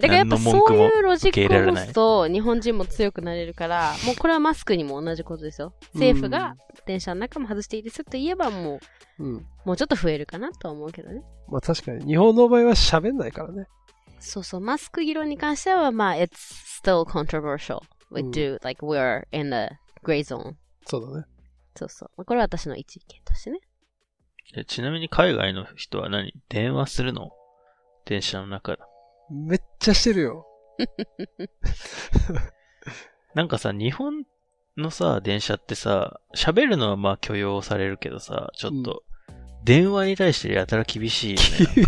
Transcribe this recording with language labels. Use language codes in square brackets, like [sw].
[ja] だからやっぱそういうロジックを持つと、日本人も強くなれるから、もうこれはマスクにも同じことですよ。政府が電車の中も外していいですと言えばもう、うん、もうちょっと増えるかなとは思うけどね。まあ確かに日本の場合は喋んないからね。そうそう、マスク議論に関してはまあ [en] it's still controversial. We do、うん、like we're in the gray zone. [ja] そうだね。そうそう、これは私の一意見としてね。ちなみに海外の人は何、電話するの、電車の中だ。めっちゃしてるよ。なんかさ、日本のさ、電車ってさ、喋るのはまあ許容されるけどさ、ちょっと、電話に対してやたら厳しいよね。